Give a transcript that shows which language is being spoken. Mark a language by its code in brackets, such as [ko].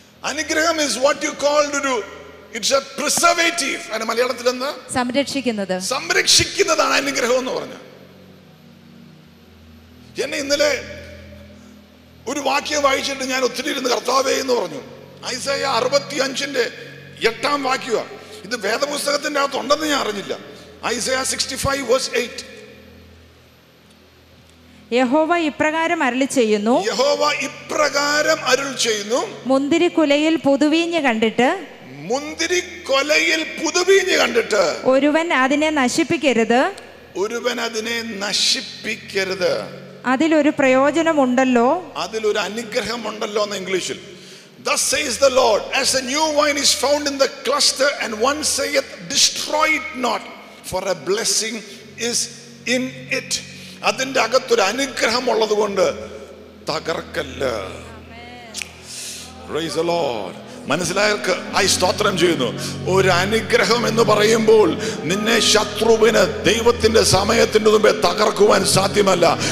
[en] അനുഗ്രഹം is what you called to do. It's a preservative. [ml] അന്ന് മലയാളത്തിൽ എന്താ? സംരക്ഷിക്കുന്നത്. സംരക്ഷിക്കുന്നതാണ് അനുഗ്രഹം എന്ന് പറഞ്ഞു. എന്നെ ഇന്നലെ ഒരു വാക്യം വായിച്ചിട്ട് ഞാൻ ഒത്തിരി ഇരുന്ന് കർത്താവേ എന്ന് പറഞ്ഞു. ഐസായ 65:8 വാക്യം. ഇത് വേദപുസ്തകത്തിന്റെ അകത്തുണ്ടെന്ന് ഞാൻ അറിഞ്ഞില്ല. ഐസായ 65:8. യഹോവ ഇപ്രകാരം അരുളി ചെയ്യുന്നു, യഹോവ ഇപ്രകാരം അരുളി ചെയ്യുന്നു, മുന്തിരിക്കുലയിൽ പുതുവീഞ്ഞ് കണ്ടിട്ട്, മുന്തിരിക്കുലയിൽ പുതുവീഞ്ഞ് കണ്ടിട്ട് ഒരുവൻ അതിനെ നശിപ്പിക്കരുത്, ഒരുവൻ അതിനെ നശിപ്പിക്കരുത്, അതിലൊരു പ്രയോജനമുണ്ടല്ലോ, അതിലൊരു അനുഗ്രഹമുണ്ടല്ലോ എന്ന് ഇംഗ്ലീഷിൽ. [en] Thus says the Lord, as a new wine is found in the cluster, and one saith, destroy it not, for a blessing is in it. [ml] അതിന്റെ അകത്തൊരു അനുഗ്രഹം ഉള്ളത് കൊണ്ട് തകർക്കല്ല. [en] Praise the Lord. [ml] മനസ്സിലായവർക്ക് ഐ സ്തോത്രം ചെയ്യുന്നു. ഒരു അനുഗ്രഹം എന്ന് പറയുമ്പോൾ നിന്നെ ശത്രുവിന് ദൈവത്തിന്റെ സമയത്തിന്റെ മുമ്പേ തകർക്കുവാൻ സാധ്യമല്ല.